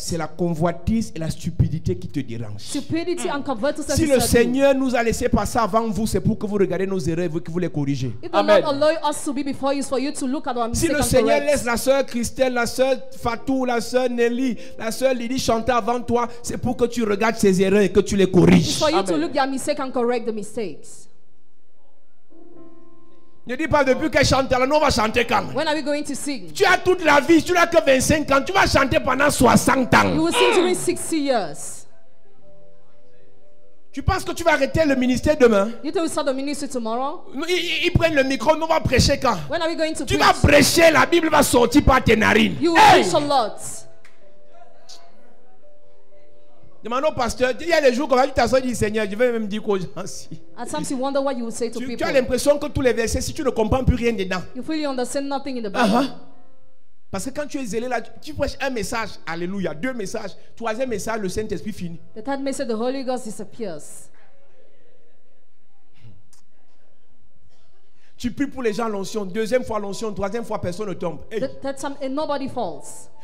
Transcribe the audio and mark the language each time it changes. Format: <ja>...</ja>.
<fr>c'est la convoitise et la stupidité qui te dérange.</fr> <en>Stupidity and covetousness.</en> <fr>Si le Seigneur nous a laissé passer avant vous, c'est pour que vous regardiez nos erreurs et que vous les corrigez.</fr> <en>If the Amen. Lord allows us to be before you, for you to look at our mistakes.</en> <fr>Si le Seigneur laisse la sœur Christelle, la sœur Fatou, la sœur Nelly, la sœur Lily chanter avant toi, c'est pour que tu regardes ses erreurs et que tu les corriges.</fr> <en>It's for you Amen. To look at your mistakes and correct the mistakes.</en> <fr>Ne dis pas depuis qu'elle chante, alors on va chanter quand?</fr> <en>When are we going to sing?</en> <fr>Tu as toute la vie, tu n'as que 25 ans, tu vas chanter pendant 60 ans.</fr> <en>You will sing during 60 years.</en> <fr>Tu penses que tu vas arrêter le ministère demain?</fr> <en>You think we start the ministry tomorrow?</en> <fr>Ils prennent le micro, on va prêcher quand?</fr> <en>When are we going to</en> <fr>tu vas prêcher, la Bible va sortir par tes narines.</fr> <en>You will preach a lot.</en> <fr>Demande au pasteur. Il y a des jours qu'on va dire, t'asseoir, dit Seigneur, je vais même dire qu'aux gens si.</fr> <en>At times you wonder what you would say to people.</en> <fr>Tu as l'impression que tous les versets, si tu ne comprends plus rien dedans.</fr> <en>You feel you understand nothing in the Bible. Uh-huh.</en> <fr>Parce que quand tu es zélé là, tu prêches un message, alléluia, deux messages, troisième message, le Saint-Esprit finit.</fr> <en>The third message, the Holy Ghost disappears.</en> <fr>Tu pries pour les gens, l'onction, deuxième fois l'onction, troisième fois personne ne tombe.</fr> <en>Hey. That's some, and nobody falls.</en>